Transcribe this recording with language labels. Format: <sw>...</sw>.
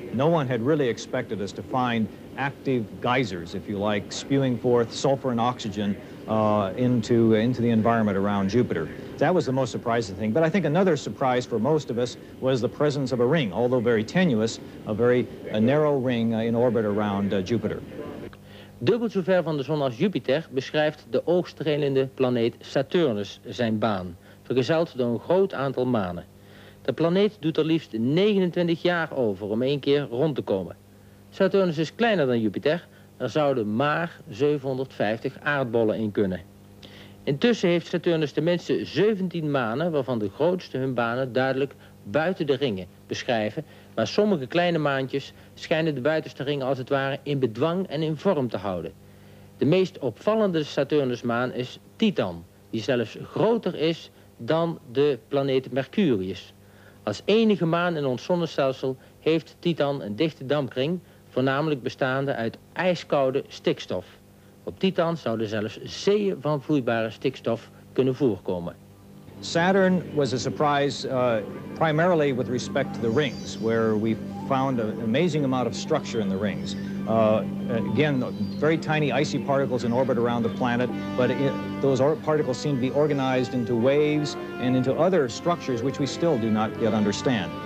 <en>No one had really expected us to find active geysers, if you like, spewing forth sulfur and oxygen into the environment around Jupiter. That was the most surprising thing. But I think another surprise for most of us was the presence of a ring, although very tenuous, a narrow ring in orbit around Jupiter.</en> <nl>Dubbel zo ver van de zon als Jupiter beschrijft de oogstrelende planeet Saturnus zijn baan, vergezeld door een groot aantal manen. De planeet doet er liefst 29 jaar over om één keer rond te komen. Saturnus is kleiner dan Jupiter, er zouden maar 750 aardbollen in kunnen. Intussen heeft Saturnus tenminste 17 manen, waarvan de grootste hun banen duidelijk buiten de ringen beschrijven, maar sommige kleine maantjes schijnen de buitenste ringen als het ware in bedwang en in vorm te houden. De meest opvallende Saturnusmaan is Titan, die zelfs groter is dan de planeet Mercurius. Als enige maan in ons zonnestelsel heeft Titan een dichte dampkring, voornamelijk bestaande uit ijskoude stikstof. Op Titan zouden zelfs zeeën van vloeibare stikstof kunnen voorkomen.</nl> <en>Saturn was a surprise primarily with respect to the rings, where we found an amazing amount of structure in the rings. Again, very tiny icy particles in orbit around the planet, but those particles seem to be organized into waves and into other structures which we still do not yet understand.</en>